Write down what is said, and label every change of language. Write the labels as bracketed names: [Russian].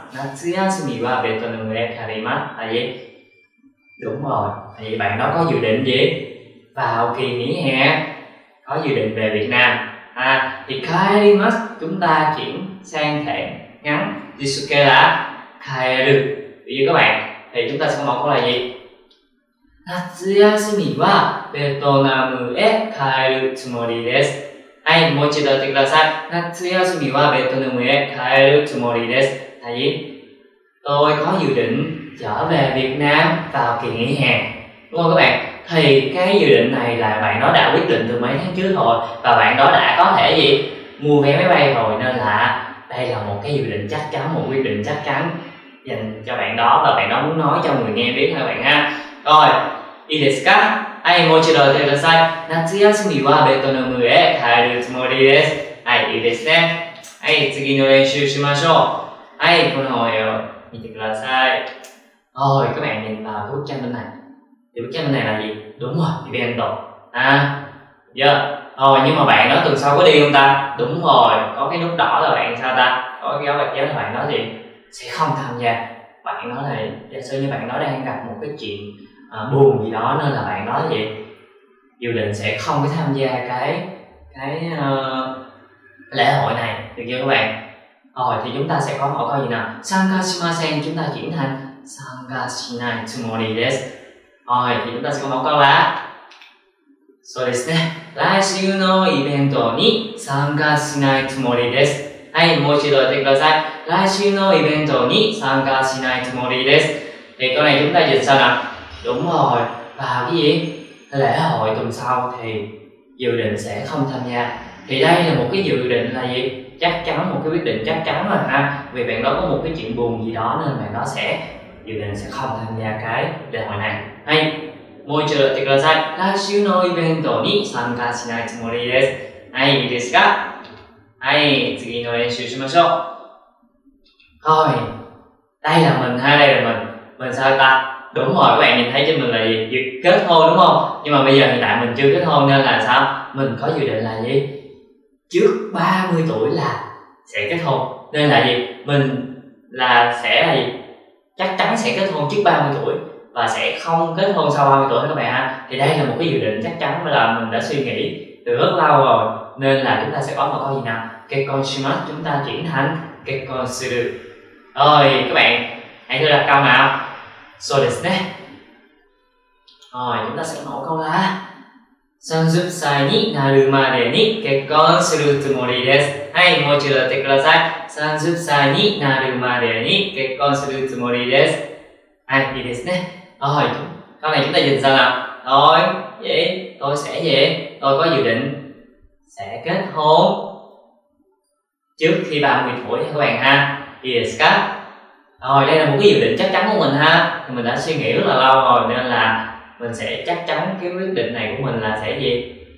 [Japanese] Natsuyasumi wa betonamu e kaerimasu. [Vietnamese] Là gì? Đúng rồi, thì bạn đó có dự định gì? Vào kỳ nghỉ hè có dự định về Việt Nam ha. Thì kaerimasu chúng ta chuyển sang thể ngắn jisuke là kaeru. Ví dụ các bạn, thì chúng ta sẽ có một câu là gì? [Japanese] 夏休みはベトナムへ帰るつもりです。はい、もう一度言ってください。夏休みはベトナムへ帰るつもりです。はい。 [Vietnamese] Tôi có dự định trở về Việt Nam vào kỳ nghỉ hè. Đúng không các bạn? Thì cái dự định này là bạn đó đã quyết định từ mấy tháng trước rồi và bạn đó đã có thể gì? Mua vé máy bay rồi nên là đây là một cái dự định chắc chắn, một quyết định chắc chắn dành cho bạn đó và bạn đó muốn nói cho người nghe biết thôi bạn ha. [Japanese] Rồi, いいですか? Hãy もう一度言ってください。夏休みはベトナムへ帰るつもりです。はい、いいですね。はい、次の練習しましょう。はい、この方を見てください。 [Vietnamese] Rồi, các bạn nhìn vào bức tranh bên này. Thì bức tranh bên này là gì? Đúng rồi, event. À, dạ. Rồi, nhưng mà bạn đó từ sau có đi không ta? Đúng rồi, có cái nút đỏ là bạn sao ta? Có cái áo bạch chéo là bạn đó thì sẽ không tham gia. Bạn đó là, giả sử như bạn đó đang gặp một cái chuyện buồn gì đó nên là bạn đó thì dự định sẽ không có tham gia cái lễ hội này. Được chưa các bạn? Rồi, thì chúng ta sẽ có một câu gì nào? [Japanese] 参加しません, [Vietnamese] chúng ta chuyển thành [Japanese] 参加しないつもりです。はい、じゃあ、ちょっと待ってください。そうですね。来週のイベントに参加しないつもりです。はい、もう一度言ってください。来週のイベントに参加しないつもりです。で、これ、じゃあ、言ったら、 [Vietnamese] đúng rồi, vào cái gì? Lễ hội tuần sau thì dự định sẽ không tham gia. Thì đây là một cái dự định là gì? Chắc chắn, một cái quyết định chắc chắn rồi ha. Vì bạn đó có một cái chuyện buồn gì đó nên bạn đó sẽ dự định sẽ không tham gia cái lễ hội này. Hay, もう一度言ってください。来週のイベントに参加しないつもりです。はい、いいですか？はい、次の練習しましょう。 Rồi, đây là mình ha, đây là mình. Mình sao ta? Đúng rồi, các bạn nhìn thấy trên mình là gì? Kết hôn đúng không? Nhưng mà bây giờ hiện tại mình chưa kết hôn nên là sao? Mình có dự định là gì? Trước 30 tuổi là sẽ kết hôn. Nên là gì? Mình là sẽ là gì? Chắc chắn sẽ kết hôn trước 30 tuổi và sẽ không kết hôn sau 30 tuổi các bạn ha. Thì đây là một cái dự định chắc chắn là mình đã suy nghĩ từ rất lâu rồi. Nên là chúng ta sẽ có một câu gì nào? Cái con shimasu chúng ta chuyển thành cái con suru. Rồi các bạn hãy thử đặt câu nào. [Japanese] So ですね。 [Vietnamese] Rồi chúng ta sẽ mở câu là [Japanese] 30 歳になるまでに結婚するつもりです。はい、もう一度言ってください。30歳になるまでに結婚するつもりです。はい、いいですね。 [Vietnamese] Rồi, câu này chúng ta dịch ra là Rồi, vậy, tôi sẽ gì? Tôi có dự định sẽ kết hôn trước khi 30 tuổi các bạn ha. Yes, các Rồi, đây là một cái dự định chắc chắn của mình ha. Mình đã suy nghĩ rất là lâu rồi nên là mình sẽ chắc chắn cái quyết định này của mình là sẽ gì?